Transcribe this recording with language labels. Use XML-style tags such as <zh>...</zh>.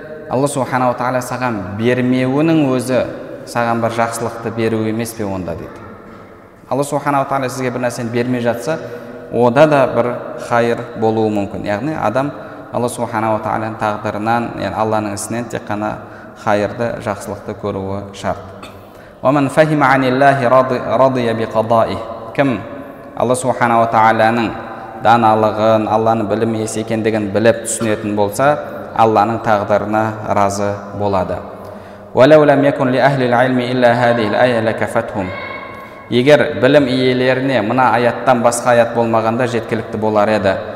<kk>Алла субхана ва тааля саған бермеуінің өзі саған бір жақсылықты беру емес пе онда дейді. Алла субхана ва тааля сізге бір нәрсені бермей жатса, онда да бір хайыр болуы мүмкін. Яғни адам Алла субхана ва тааляның тағдырынан, яғни Алланың ісінен тек қана хайырды, жақсылықты көруі шарт.</kk> <ar>Ва ман фахима анилляхи радия биқадаихи.</ar> <kk>Кім Алла субхана ва тааляның даналығын, Алланың білімі есі екендігін біліп түсінетін болса, Алланың тағдырына разы болады.</kk> <ar>وَلَوْ لَمْ يَكُنْ لِأَهْلِ الْعِلْمِ إِلَّا هَذِهِ الْآيَةُ لَكَفَتْهُمْ.</ar> <kk>Егер білім иелеріне мына аяттан басқа аят болмағанда жеткілікті болар еді.</kk>